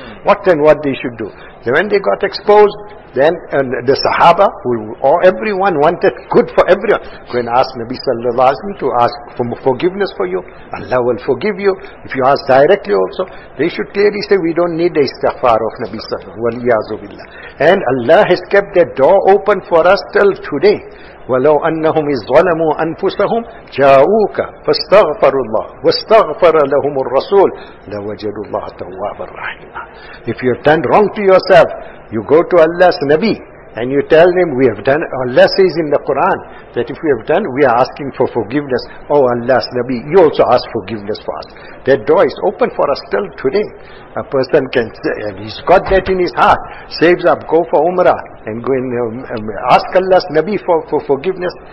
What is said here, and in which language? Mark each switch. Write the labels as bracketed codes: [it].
[en] What and what they should do. So when they got exposed, then the Sahaba, everyone wanted good for everyone, go and ask Nabi Sallallahu Alaihi Wasallam to ask for forgiveness for you. Allah will forgive you. If you ask directly also, they should clearly say, we don't need the istighfar of Nabi Sallallahu Alaihi Wasallam. And Allah has kept that door open for us till today. [ar] ولو أنهم ظلموا أنفسهم جاءوك فاستغفروا الله واستغفر لهم الرسول لوجدوا الله توابا رحيما. [en] If you have done wrong to yourself, you go to Allah's Nabi and you tell him, we have done, Allah says in the Quran that if we have done, we are asking for forgiveness. Oh Allah's Nabi, you also ask forgiveness for us. That door is open for us still today. A person can say, and he's got that in his heart, saves up, go for Umrah and go and ask Allah's Nabi for forgiveness.